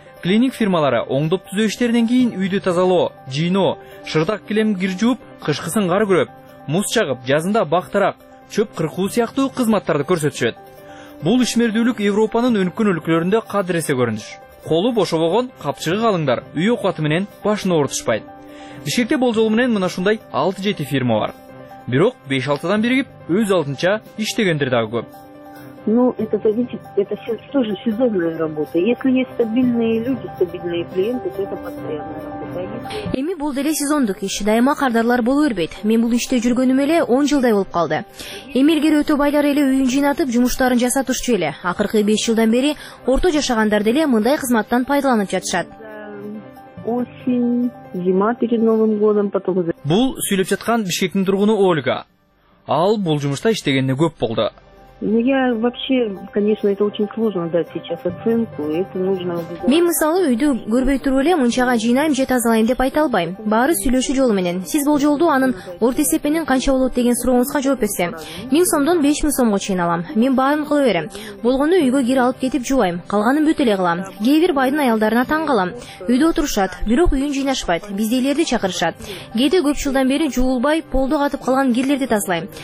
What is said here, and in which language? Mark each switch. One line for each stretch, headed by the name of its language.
Kyrgyz: Клининг фирмалары оңдоп түзөө иштеринен кийин үйдү тазалоо, жыйноо, шырдак килем кир жууп, кышкысын кар күрөп, муз чагып, жазында бак тарак, чөп кыркуу сыяктуу кызматтарды көрсөтүшөт. Бул ишмердүүлүк Европанын өнүккөн өлкөлөрүндө кадыресе көрүнүш. Колу бошобогон капчыгы калыңдар үй окууаты менен башын оорутушпайт. Бишкекте болжол менен мына ушундай 6-7 фирма бар. Бирок 5-6 биригип өз алдынча иштегендер дагы көп.
Russian: Ну, это зависит, это все тоже сезонная работа. Если есть стабильные люди, стабильные клиенты, то это постоянно.
Kyrgyz: Эми бул деле сезондук иш, дайыма кардарлар боло бербейт. Мен бул иште жүргөнүм эле 10 жылдай болуп калды. Эми илгери өтө байлар эле үйүн жыйнатып, жумуштарын жасатышчу эле. Акыркы 5 жылдан бери орто жашагандар деле мындай кызматтан пайдаланып жатышат.
Russian: Осень, зима перед Новым годом, потом...
Kyrgyz: Бул сүйлөп жаткан Бишкектин тургуну Ольга. Ал бул жумушта иштегенине көп болду.
Russian: Ну, я вообще, конечно, это очень сложно дать сейчас оценку, это нужно...
Kyrgyz: Мен мисалы үйдү көрбөй туруп эле мунчага жыйнайм же тазалайм деп айта албайм. Баары сүйлөшүү жолу менен. Сиз бул жолду анын орто эсепенин канча болот деген сурооңузга жооп берсем, 1000 сомдон 5000 сомго чейин алам. Мен баарын кыла берем. Болгону үйгө кир алып кетип жуубайм. Калганын бүт эле кылам. Кээ бир байдын аялдарына таң калам. Үйдө отурушат, бирок үйүн жыйнашпайт. Биздейлерди чакырышат. Кээде көп жылдан бери жуулбай, полду катып калган кирлерди тазалайм.